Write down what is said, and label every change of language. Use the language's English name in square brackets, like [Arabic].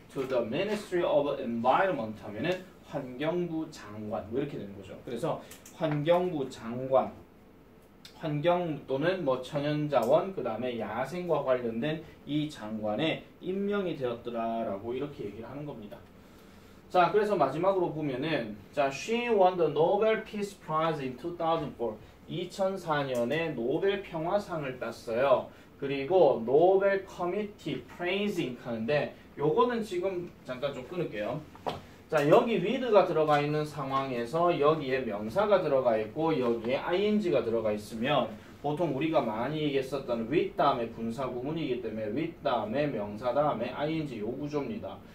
[English] To the Ministry of Environment [Korean] 하면은 환경부 장관 뭐 이렇게 되는 거죠. 그래서 환경부 장관, 환경 또는 뭐 천연자원, 그 다음에 야생과 관련된 이 장관에 임명이 되었더라라고 이렇게 얘기를 하는 겁니다. 자, 그래서 마지막으로 보면은 자, [English] she won the Nobel Peace Prize in 2004. [Korean] 2004년에 노벨 평화상을 땄어요. 그리고 노벨 커미티 praising 하는데 요거는 지금 잠깐 좀 끊을게요. 자, 여기 with가 들어가 있는 상황에서 여기에 명사가 들어가 있고 여기에 ing가 들어가 있으면 보통 우리가 많이 얘기했었던 with 다음에 분사 구문이기 때문에 with 다음에 명사 다음에 ing 요 구조입니다.